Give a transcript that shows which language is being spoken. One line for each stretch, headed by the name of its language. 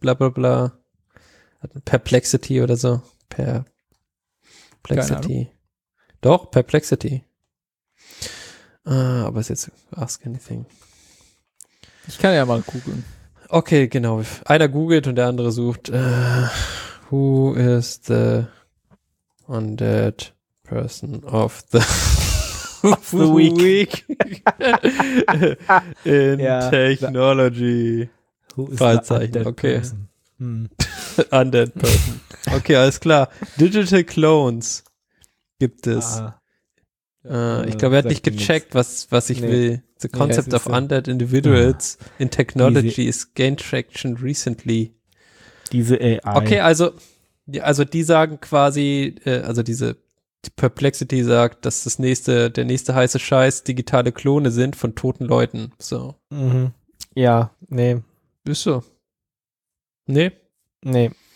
German: Blablabla. Perplexity oder so. Perplexity. Doch, Perplexity. Aber ist jetzt Ask Anything. Ich kann ja mal googeln. Okay, genau. Einer googelt und der andere sucht.
English: Who is the undead person of the, of the week? Week? In ja. Technology. Who is the undead okay. person?
German: Undead Person. Okay, alles klar. Digital Clones gibt es. Ich glaube, er hat nicht gecheckt, was ich will.
English: The concept of undead individuals in technology is gained traction recently.
German: Diese AI. Okay, also die sagen quasi, also diese die Perplexity sagt, dass der nächste heiße Scheiß digitale Klone sind von toten Leuten. So. Mhm. Ja, nee. Ist so. Nee? Nee.